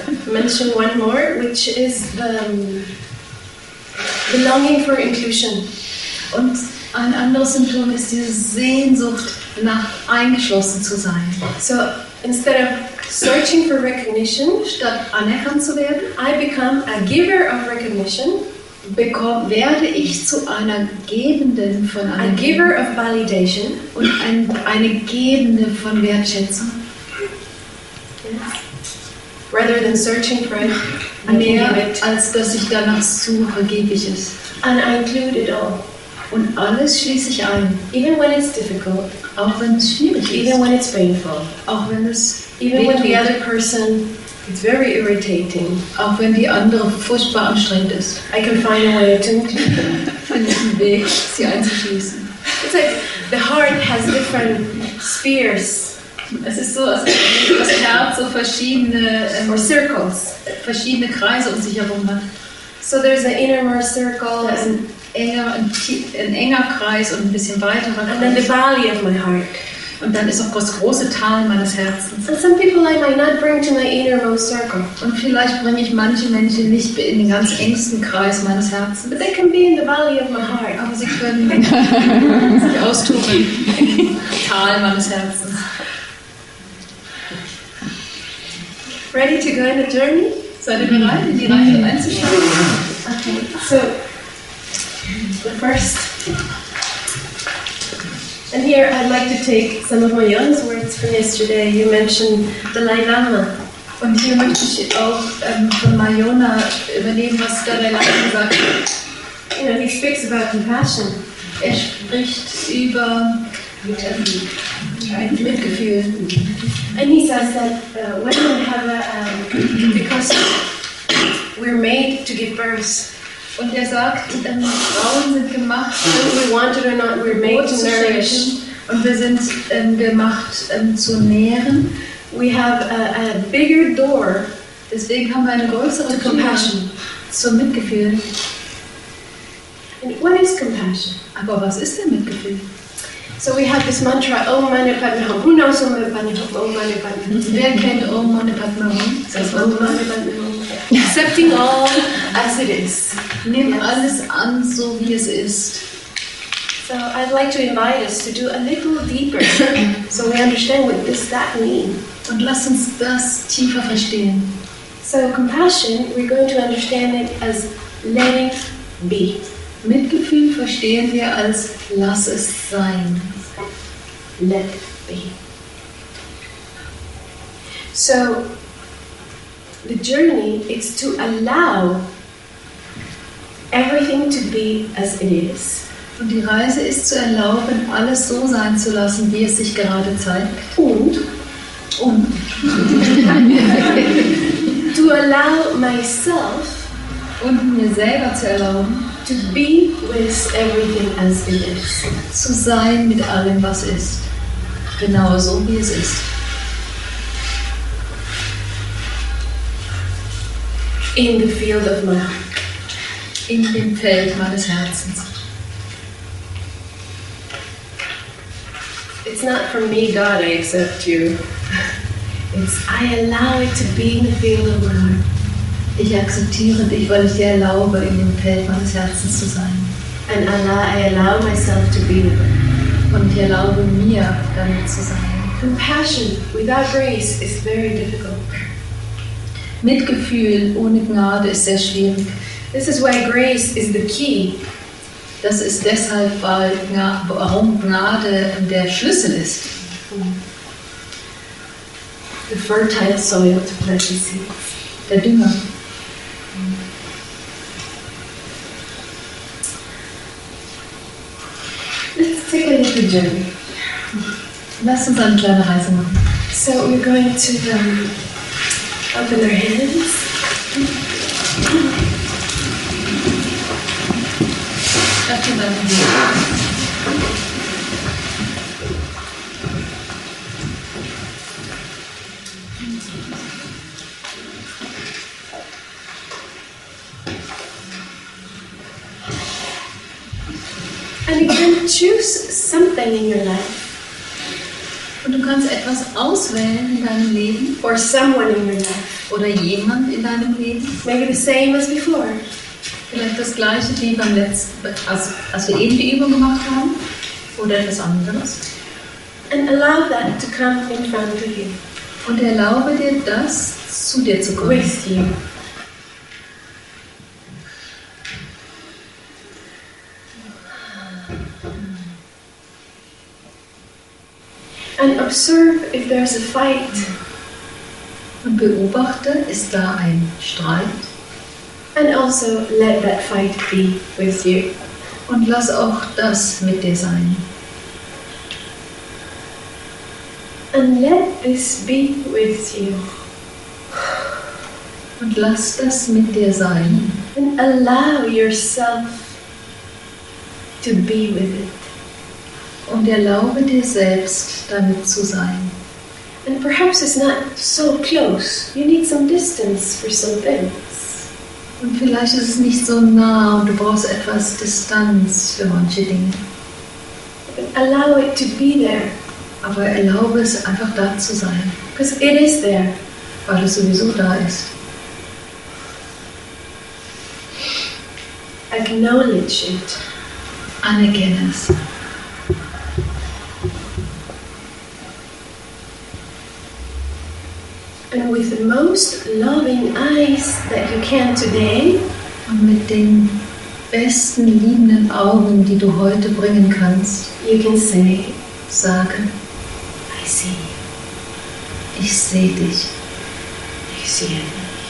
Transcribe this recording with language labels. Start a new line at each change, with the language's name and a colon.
English: Mention one more, which is the longing for inclusion.
German: Und ein anderes Symptom ist diese Sehnsucht nach eingeschlossen zu sein.
English: So instead of searching for recognition,
German: statt anerkannt zu werden,
English: I become a giver of recognition.
German: bekomme, werde ich zu einer Gebenden von einem
English: A giver of validation
German: und eine Gebende von Wertschätzung.
English: Rather than searching for it,
German: mehr als dass ich danach suche, gebe ich es.
English: And I include it all.
German: Und alles schließe ich ein.
English: Even when it's difficult.
German: Auch wenn es schwierig ist.
English: Even when it's painful.
German: Auch wenn es
English: Even when the other person it's very irritating.
German: Auch wenn die andere furchtbar anstrengend ist.
English: I can find a way to
German: find einen Weg, sie einzuschließen.
English: It's like the heart has different spheres.
German: Es ist so, als das Herz so verschiedene
English: or circles,
German: verschiedene Kreise um sich herum hat.
English: So there's an innermost circle, yeah.
German: ein enger Kreis und ein bisschen weiterer Kreis.
English: And then the valley of my heart.
German: Und dann ist auch das große Tal meines Herzens.
English: And some people I might not bring to my innermost circle.
German: Und vielleicht bringe ich manche Menschen nicht in den ganz engsten Kreis meines Herzens.
English: But they can be in the valley of my heart.
German: Aber sie können sich austoben im Tal meines Herzens.
English: Ready to go on the journey?
German: Seid ihr bereit, in die Reise einzusteigen?
English: Okay, so, the first. And here I'd like to take some of Mayon's words from yesterday. You mentioned Dalai Lama.
German: Und hier möchte ich auch von Mayona übernehmen, was Dalai Lama gesagt hat.
English: You know, he speaks about compassion.
German: Er spricht über Mitgefühl.
English: And he says that women have because we're made to give birth.
German: Und sagt, Frauen sind gemacht,
English: whether we want it or not, we're made to nourish.
German: Und wir sind gemacht zu nähren.
English: We have a bigger door.
German: Deswegen haben wir eine größere Tür. Compassion, zum Mitgefühl.
English: And what is compassion?
German: Aber was ist denn Mitgefühl?
English: So we have this mantra, Om Mani Padme Hum. Who knows Om Mani Padme Hum?
German: Om Mani Padme Hum. Wer kennt Om Mani Padme Hum?
English: Says Om Mani Padme Hum. Accepting all as it is.
German: Nimm alles an, so wie es ist.
English: So I'd like to invite us to do a little deeper, so we understand what does that mean.
German: Und lass uns das tiefer verstehen.
English: So compassion, we're going to understand it as letting be.
German: Mitgefühl verstehen wir als lass es sein.
English: Let be. So, the journey is to allow everything to be as it is.
German: Und die Reise ist zu erlauben, alles so sein zu lassen, wie es sich gerade zeigt.
English: Und to allow myself
German: und mir selber zu erlauben,
English: to be with everything as it is.
German: Zu sein mit allem, was ist. Genau so, wie es ist.
English: In the field of my heart.
German: In dem Feld meines Herzens.
English: It's not from me, God, I accept you. It's I allow it to be in the field of my heart.
German: Ich akzeptiere dich, weil ich dir erlaube, in dem Feld meines Herzens zu sein.
English: And Allah, I allow myself to be with it.
German: Und ich erlaube mir, damit zu sein.
English: Compassion without grace is very difficult.
German: Mitgefühl ohne Gnade ist sehr schwierig.
English: This is why grace is the key.
German: Das ist deshalb, warum Gnade der Schlüssel ist.
English: The fertile soil to plant the seeds.
German: Der Dünger.
English: Take a little journey.
German: Lass uns eine kleine Reise machen.
English: So we're going to open our hands. And you can choose something in your life.
German: Und du kannst etwas auswählen in deinem Leben.
English: Or someone in your life.
German: Oder jemand in deinem Leben.
English: Maybe the same as before.
German: Vielleicht das gleiche wie beim letzten, als wir eben die Übung gemacht haben. Oder etwas anderes.
English: And allow that to come in front of you.
German: Und erlaube dir, das zu dir zu kommen.
English: With you. observe if there's a fight.
German: Und beobachte, ist da ein Streit?
English: And also let that fight be with you.
German: Und lass auch das mit dir sein.
English: And let this be with you.
German: Und lass das mit dir sein.
English: And allow yourself to be with it.
German: Und erlaube dir selbst, damit zu sein.
English: And perhaps it's not so close. You need some distance for some things.
German: Und vielleicht ist es nicht so nah und du brauchst etwas Distanz für manche Dinge.
English: But allow it to be there.
German: Aber erlaube es, einfach da zu sein.
English: Because it is there.
German: Weil es sowieso da ist.
English: Acknowledge it.
German: Anerkenne es.
English: And with the most loving eyes that you can today,
German: und mit den besten liebenden Augen, die du heute bringen kannst,
English: you can say,
German: sagen,
English: I see.
German: Ich sehe dich. Ich sehe dich.